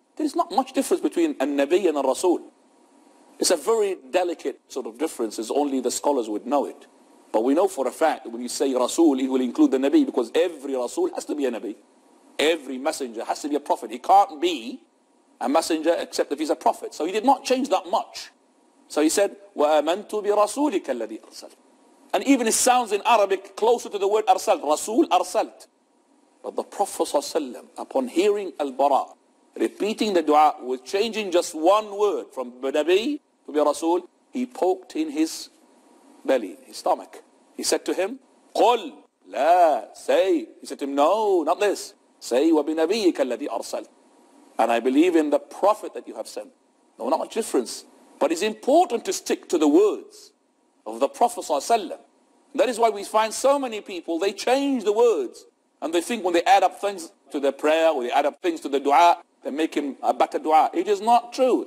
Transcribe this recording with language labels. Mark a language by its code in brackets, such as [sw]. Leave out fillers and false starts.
[en] There is not much difference between an-Nabiy and a-Rasul. It's a very delicate sort of difference, as only the scholars would know it. But we know for a fact that when you say Rasul, it will include the Nabi, because every Rasul has to be a Nabi. Every messenger has to be a prophet. He can't be a messenger except if he's a prophet. So he did not change that much. So he said, [ar] وَأَمَنْتُ بِرَسُولِكَ الَّذِي أَرْسَلْتُ. [en] And even it sounds in Arabic closer to the word أرسلت, Rasul أرسلت. But the Prophet ﷺ, upon hearing Al-Bara, repeating the dua, with changing just one word from Nabi to be Rasul, he poked in his belly, his stomach. He said to him, [ar] قُلْ لَا [en] say. He said to him, no, not this. [ar] Say, وَبِنَبِيِّكَ الَّذِي أَرْسَلْ. [en] And I believe in the Prophet that you have sent. No, not much difference. But it's important to stick to the words of the Prophet ﷺ. That is why we find so many people, they change the words. And they think when they add up things to their prayer, or they add up things to the dua, they make him a better dua. It is not true.